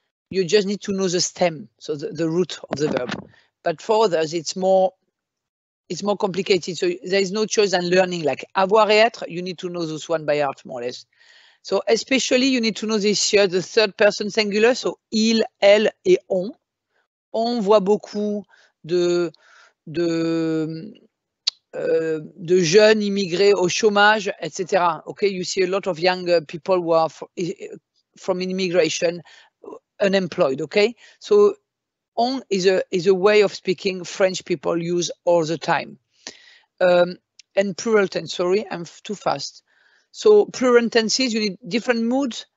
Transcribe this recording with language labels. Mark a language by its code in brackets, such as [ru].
[en] You just need to know the stem, so the root of the verb. But for others, it's more complicated. So there is no choice than learning. Like [fr] avoir et être, [en] you need to know this one by heart, more or less. So especially, you need to know this here, the third person singular. [fr] So il, elle et on. On voit beaucoup de jeunes immigrés au chômage, etc. [en] Okay, you see a lot of young people who are from immigration, unemployed. Okay, so on is a way of speaking French people use all the time. And plural tense, sorry, I'm too fast. So plural tenses, you need different moods.